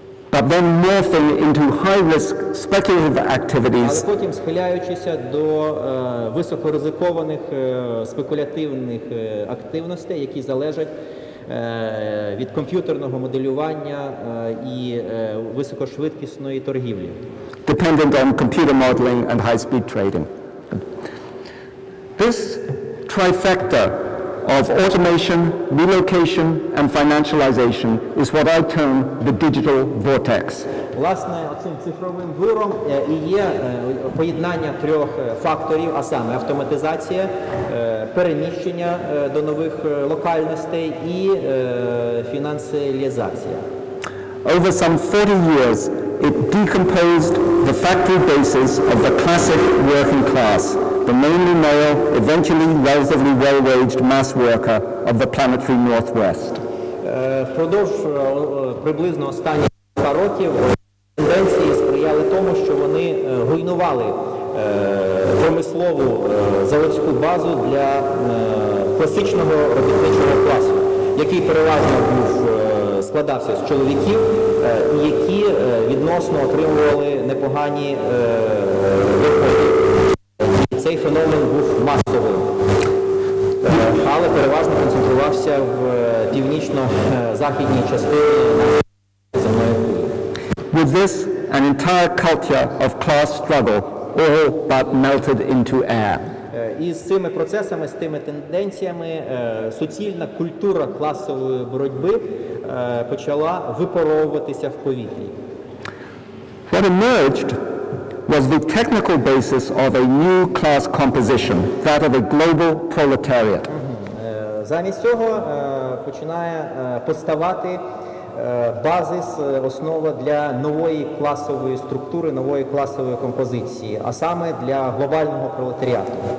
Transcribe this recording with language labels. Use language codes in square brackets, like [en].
[en] But then morphing into high-risk speculative activities. [uk] Але потім схиляючися до високоризикованих спекулятивних активностей, які залежать від комп'ютерного моделювання і високошвидкісної торгівлі. [en] Dependent on computer modeling and high-speed trading. This trifecta of automation, relocation, and financialization is what I term the digital vortex. [uk] Власне, цим цифровим виром і є поєднання трьох факторів, а саме автоматизація, переміщення до нових локальностей і фінансіалізація. [en] Over some 40 years, it decomposed the factory basis of the classic working class, the mainly male, eventually relatively well-waged mass worker of the planetary Northwest. [uk] Впродовж приблизно останні кілька років тенденції сприяли тому, що вони руйнували промислову заводську базу для класичного робітничого класу, який переважно складався з чоловіків, які відносно отримували непогані доходи. Цей феномен був масовим, але переважно концентрувався в північно-західній частині земної. [en] With this, an entire culture of class struggle all but melted into air. [uk] Із цими процесами, з тими тенденціями, суцільна культура класової боротьби почала випаровуватися в повітрі. [en] What emerged was the technical basis of a new class composition, that of a global proletariat. [uk] Замість цього починає поставати базис, основа для нової класової структури, нової класової композиції, а саме для глобального пролетаріату.